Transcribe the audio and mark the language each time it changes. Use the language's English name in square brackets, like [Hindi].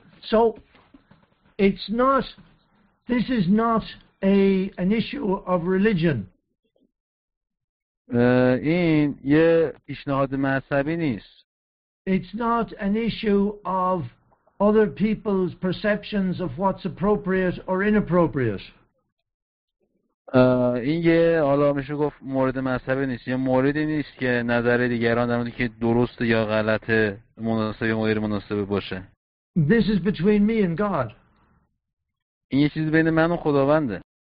[English] So it's not this is not a an issue of religion. [Persian] این یه پیشنهاد مذهبی نیست. [English] It's not an issue of other people's perceptions of what's appropriate or inappropriate. [Persian] این یه حالا میشه گفت مورد مذهبی نیست، یه موردی نیست که نظر دیگران در مورد که درست یا غلط مناسب یا غیر مناسب باشه. [English] This is between me and God. [Persian] این یه چیزی بین من و خداونده.